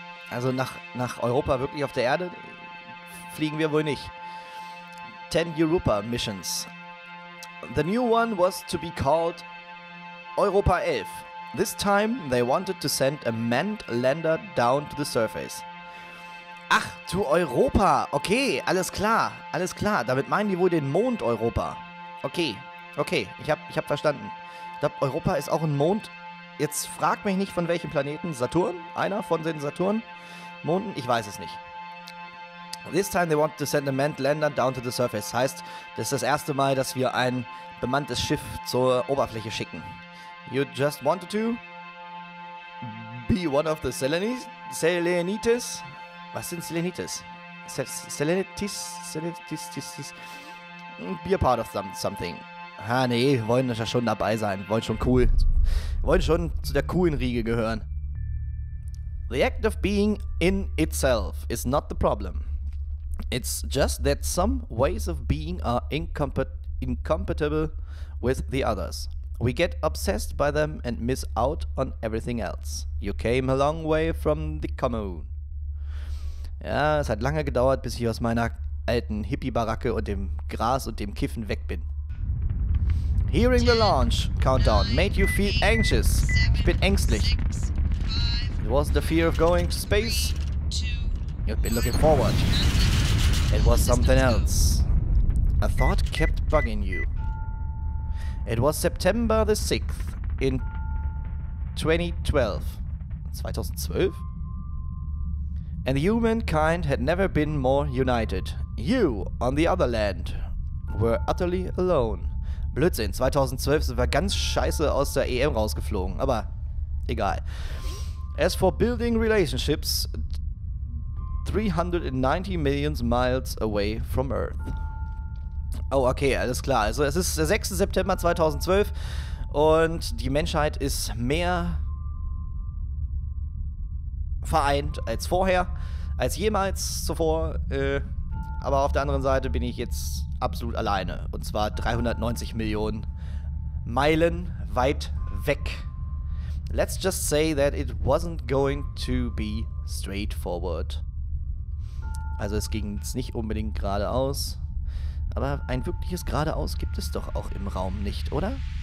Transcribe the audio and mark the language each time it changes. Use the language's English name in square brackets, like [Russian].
[German] Also nach Europa wirklich auf der Erde fliegen wir wohl nicht. [English] 10 Europa Missions. The new one was to be called Europa 11. This time they wanted to send a manned lander down to the surface. [German] Ach, zu Europa. Okay, alles klar. Alles klar. Damit meinen die wohl den Mond Europa. Okay, okay. Ich hab verstanden. Ich glaube, Europa ist auch ein Mond. Jetzt frag mich nicht von welchem Planeten. Saturn? Einer von den Saturn-Monden? Ich weiß es nicht. [English] This time they want to send a manned lander down to the surface. [German] Heißt, das ist das erste Mal, dass wir ein bemanntes Schiff zur Oberfläche schicken. [English] You just wanted to be one of the Selenites? [German] Was sind Selenites? Selenites? [English] Be a part of something. [German] Ah, nee, wollen ja schon dabei sein. Wollen schon cool. Wollen schon zu der coolen Riege gehören. [English] The act of being in itself is not the problem. It's just that some ways of being are incompatible with the others. We get obsessed by them and miss out on everything else. You came a long way from the commune. [German] Ja, es hat lange gedauert, bis ich aus meiner alten Hippie-Baracke und dem Gras und dem Kiffen weg bin. [English] Hearing the launch countdown made you feel anxious. [German] Ich bin ängstlich. [English] It was the fear of going to space. You've been looking forward. It was something else. A thought kept bugging you. It was September the 6th in 2012. 2012? And humankind had never been more united. You, on the other land, were utterly alone. [German] Blödsinn, 2012 sind wir ganz scheiße aus der EM rausgeflogen, aber egal. [English] As for building relationships 390 million miles away from Earth. [German] Oh, okay, alles klar. Also es ist der 6. September 2012 und die Menschheit ist mehr vereint als vorher, als jemals zuvor. Aber auf der anderen Seite bin ich jetzt absolut alleine. Und zwar 390 Millionen Meilen weit weg. [English] Let's just say that it wasn't going to be straightforward. [German] Also es ging jetzt nicht unbedingt geradeaus. Aber ein wirkliches Geradeaus gibt es doch auch im Raum nicht, oder?